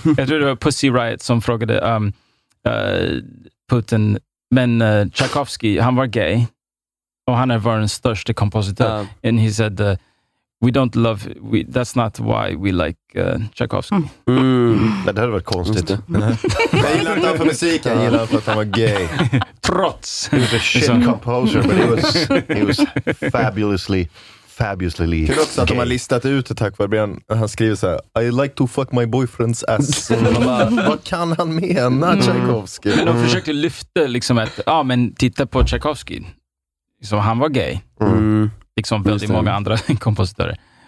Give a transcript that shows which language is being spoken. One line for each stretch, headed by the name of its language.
Swedish: Jag tror det var Pussy Riot som frågade Putin, men Tchaikovsky, han var gay och han är världens största kompositör.
English: And he said... that's not why we like Tchaikovsky.
Swedish: Men det hade varit konstigt. Jag gillar inte han för musiken, jag gillar för att han var gay. Trots.
English: He was a shit composer, but he was fabulously gay.
Swedish: Kul också att de har listat ut det tack vare Brian. Han skriver så här:
English: I like to fuck my boyfriend's ass.
Swedish: Vad kan han mena, Tchaikovsky? Men de försökte lyfta liksom att, men titta på Tchaikovsky. Så han var gay. Liksom väldigt många andra kompositörer.